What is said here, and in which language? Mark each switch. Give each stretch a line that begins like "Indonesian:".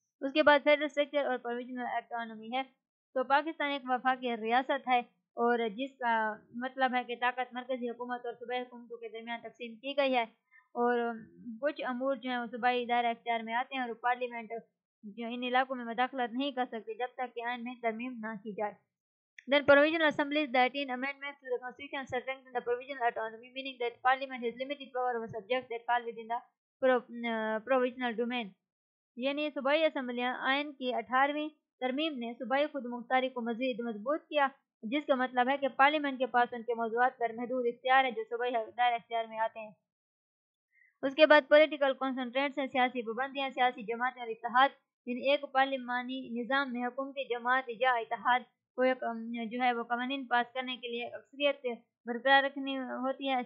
Urdu: اس کے بعد federal structure اور پروویژنل اٹانومی ہے. تو پاکستان ایک وفاقی ریاست ہے, اور جس کا مطلب ہے کہ طاقت مرکزی حکومت اور صوبائی حکومتوں کے درمیان تقسیم کی گئی ہے, اور کچھ امور جو ہیں وہ صوبائی ادارہ اختیار میں آتے ہیں, اور پارلیمنٹ جو ان علاقوں میں مداخلت نہیں کر سکتی جب تک کہ آئین میں ترمیم نہ کی جائے.
English: Then provincial assemblies, the 18 amendments to the constitution strengthen the provincial autonomy, meaning that parliament has limited power over subjects that fall within the provincial domain.
Urdu: یعنی صوبائی اسمبلیاں, آئین کی 18ویں ترمیم نے صوبائی خود مختاری کو مزید مضبوط کیا, جس کا مطلب ہے کہ پارلیمنٹ کے پاس ان کے موضوعات پر محدود اختیار ہے جو صوبائی ادارے اختیار میں آتے ہیں. اس کے بعد پولیٹیکل کنسٹرینٹس ہیں, سیاسی پابندیاں. سیاسی جماعتیں اور اتحاد, یعنی ایک پارلیمانی نظام میں حکومتی جماعت یا اتحاد کو جو ہے وہ قوانین پاس کرنے کے لیے اکثریت برقرار رکھنی ہوتی ہے.